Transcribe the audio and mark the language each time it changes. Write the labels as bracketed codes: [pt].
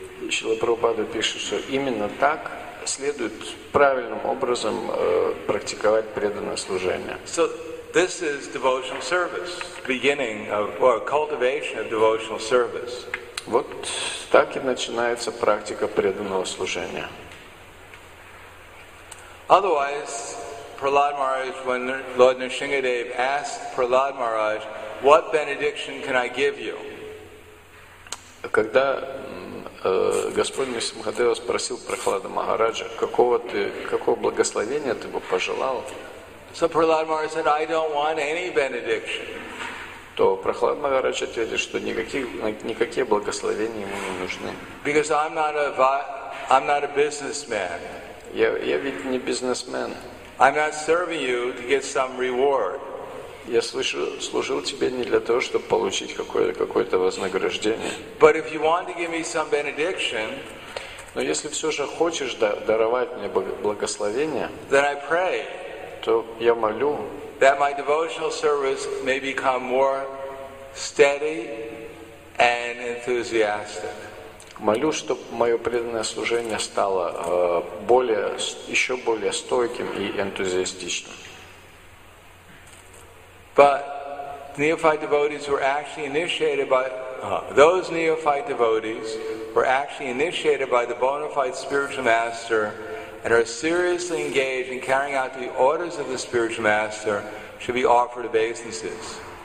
[ru] Шрила Прабхупада пишет, что именно так следует правильным образом практиковать преданное служение. [en] So this is devotional service, beginning of, or cultivation of devotional service. [ru] Вот так и начинается практика преданного служения. [en] Otherwise, Prahlad Maharaj, when Lord Nrisimhadev asked Prahlad Maharaj, what benediction can I give you? [ru] Когда Господь Нисимхадева спросил Прахлада Махараджа, какого благословения ты бы пожелал? [en] So Prahlad Maharaj said, I don't want any benediction. [ru] То Прахлад Махарадж ответил, что никакие благословения ему не нужны. [en] Because I'm not a businessman. [ru] Я ведь не бизнесмен. [en] I'm not serving you to get some reward. [ru] Я служил тебе не для того, чтобы получить какое-то вознаграждение. [en] But if you want to give me some benediction, [ru] но если все же хочешь даровать мне благословение, [en] then I pray, [ru] то я молю, [en] that my devotional service may become more steady and enthusiastic. [ru] Молю, чтобы мое преданное служение стало еще более стойким и энтузиастичным. [en] But neophyte devotees were actually initiated by those neophyte devotees were actually initiated by the bona fide spiritual master and are seriously engaged in carrying out the orders of the spiritual master should be offered obeisances.